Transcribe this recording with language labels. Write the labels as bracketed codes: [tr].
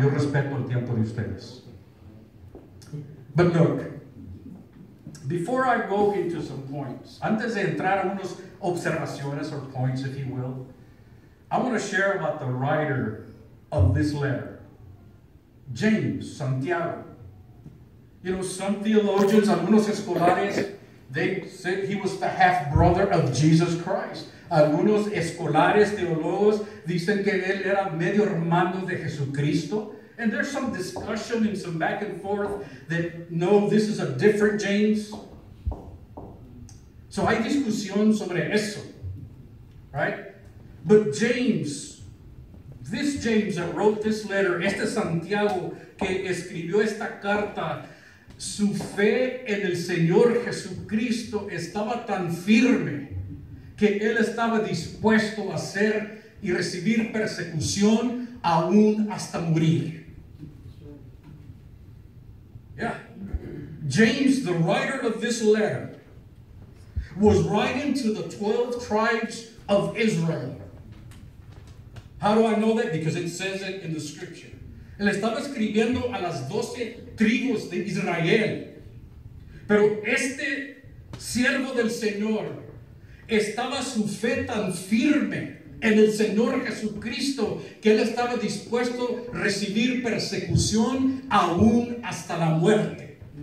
[es] Yo respeto el tiempo de ustedes. [en] But look, before I go into some points, [es] antes de entrar a unos observaciones [en] or points, if you will, I want to share about the writer of this letter, James Santiago. You know, some theologians, [es] algunos escolares, [en] they said he was the half-brother of Jesus Christ. [es] Algunos escolares, teólogos, dicen que él era medio hermano de Jesucristo. [en] And there's some discussion and some back and forth that, no, this is a different James. [es] So, hay discusión sobre eso, right? [en] But James, this James that wrote this letter, [es] este Santiago que escribió esta carta, su fe en el Señor Jesucristo estaba tan firme que él estaba dispuesto a hacer y recibir persecución aún hasta morir. [en] Yeah. James, the writer of this letter, was writing to the 12 tribes of Israel. How do I know that? Because it says it in the scripture. [es] Él estaba escribiendo a las 12 tribus de Israel. Pero este siervo del Señor estaba su fe tan firme en el Señor Jesucristo que él estaba dispuesto a recibir persecución aún hasta la muerte.